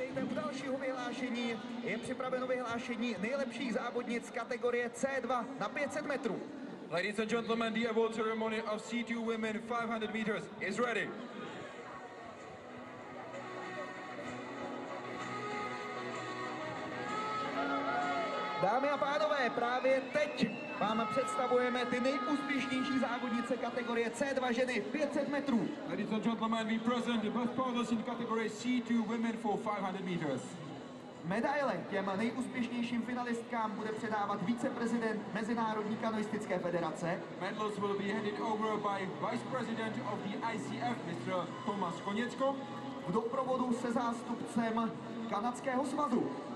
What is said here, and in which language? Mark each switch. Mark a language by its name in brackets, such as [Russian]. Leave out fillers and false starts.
[Czech] dalšího vyhlášení je připraveno vyhlášení nejlepších závodnic kategorie C2 na 500 metrů. [English] Ladies and gentlemen, the award ceremony of C2 women 500 meters is ready. [Czech] Dámy a pánové, právě teď vám představujeme ty nejúspěšnější závodnice kategorie C2 ženy 500 metrů. [English] Ladies and gentlemen, we present the best performers in category C2 women for 500 meters. [Czech] Medaile těm nejúspěšnějším finalistkám bude předávat viceprezident Mezinárodní kanoistické federace. [English] Medals will be handed over by vice president of the ICF, Mr. Tomáš Koněcko. [Czech] V doprovodu se zástupcem kanadského svazu.